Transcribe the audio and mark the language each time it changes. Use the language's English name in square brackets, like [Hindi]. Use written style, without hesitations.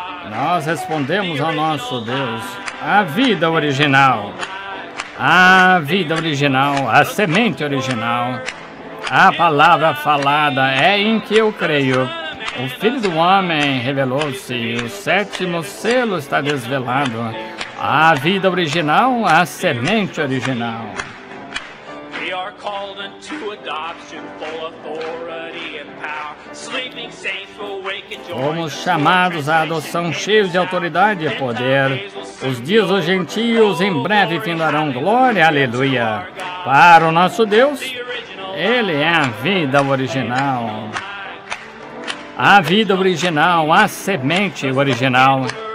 [Portuguese] Nós respondemos ao nosso Deus, a vida original, a vida original, a semente original, a palavra falada é em que eu creio. O Filho do Homem revelou-se, o sétimo selo está desvelado, a vida original, a semente original. [English] Called unto adoption, full authority and power. Sleeping saints will wake and join. [Portuguese] Fomos chamados à adoção, cheios de autoridade e poder. Os dias dos gentios em breve findarão. Glória, aleluia. Para o nosso Deus, Ele é a vida original. A vida original, a semente original.